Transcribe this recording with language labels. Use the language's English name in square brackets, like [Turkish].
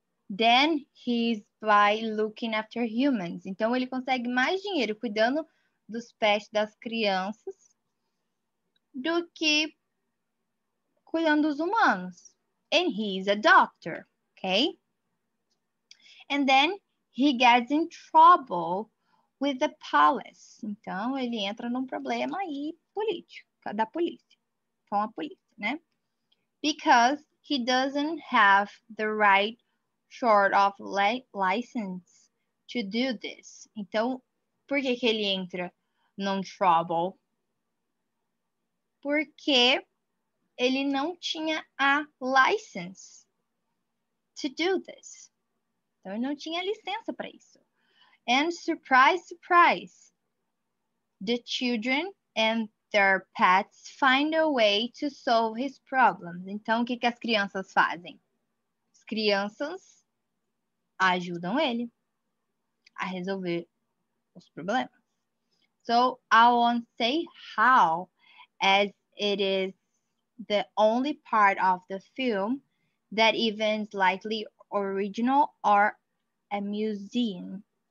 [English] than he's by looking after humans. [Portuguese] Então, ele consegue mais dinheiro cuidando dos pets, das crianças, do que cuidando dos humanos. [English] And he's a doctor, okay? And then he gets in trouble with the police. [Portuguese] Então, ele entra num problema aí político, da polícia, com a polícia, né? [English] Because he doesn't have the right sort of license to do this. [Portuguese] Então, por que que ele entra num trouble? Porque ele não tinha a [English] license to do this. [Portuguese] Então, ele não tinha licença para isso. [English] And surprise, surprise, the children and their pets find a way to solve his problems. [Portuguese] Então, o que que as crianças fazem? As crianças ajudam ele a resolver os problemas. [English] So, I won't say how, as it is the only part of the film that even slightly original or a museum.